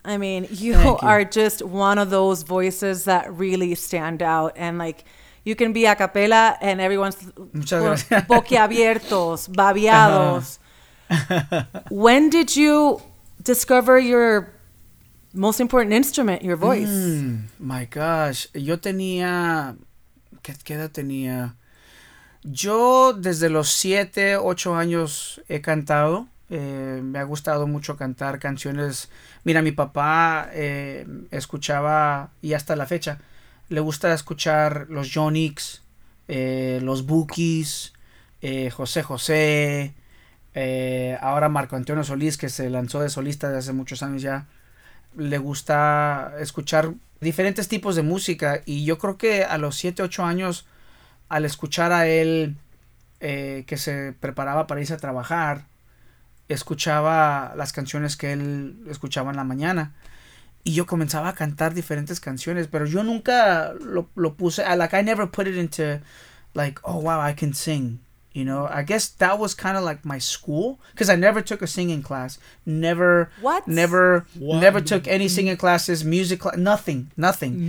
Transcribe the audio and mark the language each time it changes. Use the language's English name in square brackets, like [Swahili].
[English] I mean, you are just one of those voices that really stand out, and like, you can be a cappella and everyone's [Spanish] boquiabiertos, babiados. [English] When did you discover your most important instrument, your voice? My gosh. [Spanish] Yo tenía, ¿qué edad tenía? Yo desde los 7, 8 años he cantado. Me ha gustado mucho cantar canciones. Mira, mi papá escuchaba, y hasta la fecha, le gusta escuchar los Yonics, los Bukis, José José, ahora Marco Antonio Solís, que se lanzó de solista de hace muchos años ya. Le gusta escuchar diferentes tipos de música, y yo creo que a los 7, 8 años al escuchar a él que se preparaba para irse a trabajar, escuchaba las canciones que él escuchaba en la mañana. Y yo comenzaba a cantar diferentes canciones, pero yo nunca lo puse. [English] I never put it into, like, oh, wow, I can sing. You know, I guess that was kind of like my school, because I never took a singing class. Never. What? Never took any singing classes, music class, nothing, nothing.